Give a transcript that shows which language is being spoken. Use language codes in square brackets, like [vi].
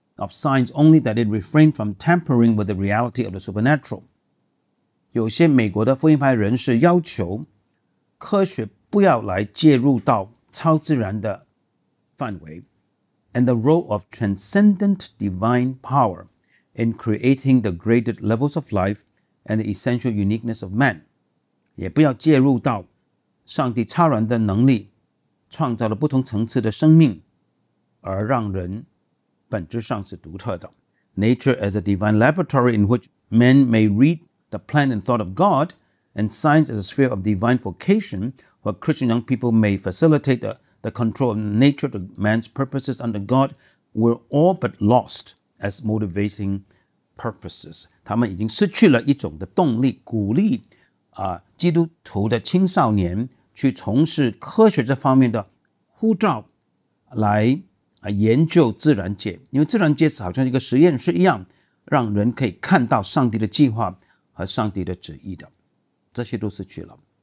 [en] of science only that it refrained from tampering with the reality of the supernatural. [zh] 有些美国的福音派人士要求科学不要来介入到超自然的范围。 [en] And the role of transcendent divine power in creating the graded levels of life and the essential uniqueness of man. [zh] 也不要介入到上帝超然的能力创造了不同层次的生命而让人本质上是独特的。 [en] Nature as a divine laboratory in which men may read the plan and thought of God, and science as a sphere of divine vocation where Christian young people may facilitate the control of nature to man's purposes under God, were all but lost as motivating purposes. [zh] 他们已经失去了一种的动力，鼓励基督徒的青少年去从事科学这方面的呼召来研究自然界，因为自然界好像一个实验室一样，让人可以看到上帝的计划和上帝的旨意的，这些都失去了。